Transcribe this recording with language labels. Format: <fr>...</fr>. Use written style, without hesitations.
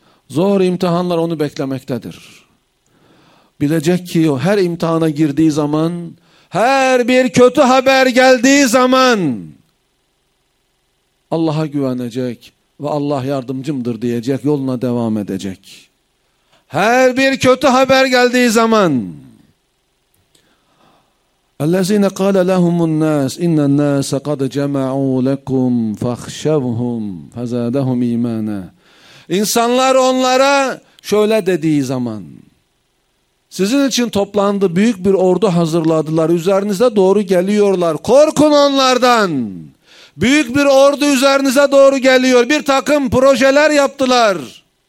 <tr>Zor imtihanlar onu beklemektedir. Bilecek ki o her imtihana girdiği zaman, her bir kötü haber geldiği zaman Allah'a güvenecek ve Allah yardımcımdır diyecek, yoluna devam edecek. Her bir kötü haber geldiği zaman</tr> <ar>اَلَّذ۪ينَ قَالَ لَهُمُ النَّاسِ اِنَّ النَّاسَ قَدْ جَمَعُوا لَكُمْ فَخْشَوْهُمْ فَزَادَهُمْ اِيمَانًا.</ar> <tr>İnsanlar onlara şöyle dediği zaman, sizin için toplandı, büyük bir ordu hazırladılar, üzerinize doğru geliyorlar, korkun onlardan. Büyük bir ordu üzerinize doğru geliyor, bir takım projeler yaptılar.</tr>